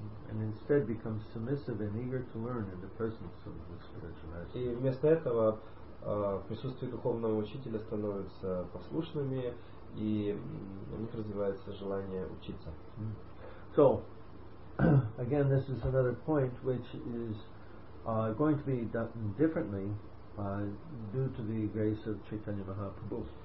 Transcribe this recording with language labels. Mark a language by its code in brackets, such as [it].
[en] And instead become submissive and eager to learn in the presence of the spiritual master. [ru] И вместо этого в присутствии духовного учителя становятся послушными, и у них развивается желание учиться. [en] So, again, this is another point which is going to be done differently due to the grace of Chaitanya Mahaprabhu.